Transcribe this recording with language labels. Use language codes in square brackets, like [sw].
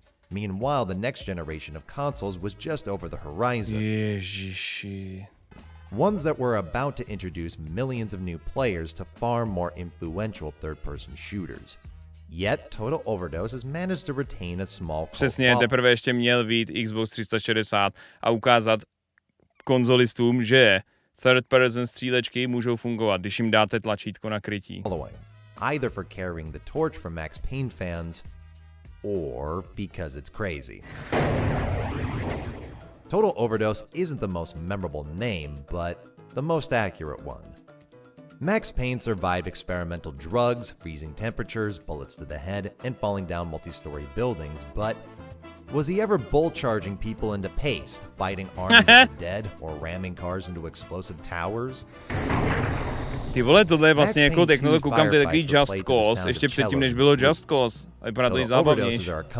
[en] Meanwhile, the next generation of consoles was just over the horizon. [cs] Ježiši. [en] Ones that were about to introduce millions of new players to far more influential third-person shooters. Yet, Total Overdose has managed to retain a small cult following. [cs] Přesně, teprve ještě měl vít Xbox 360 a ukázat konzolistům, že third-person střílečky můžou fungovat, když jim dáte tlačítko na krytí. [en] Either for carrying the torch for Max Payne fans, or because it's crazy. Total Overdose isn't the most memorable name, but the most accurate one. Max Payne survived experimental drugs, freezing temperatures, bullets to the head, and falling down multi-story buildings, but was he ever bull-charging people into paste, biting arms of the dead, or ramming cars into explosive towers? [cs] Ty vole, tohle je vlastně jako technologie, koukám, to je takový Just Cause, ještě předtím, než bylo Just Cause, ale vypadá to i zábavnější.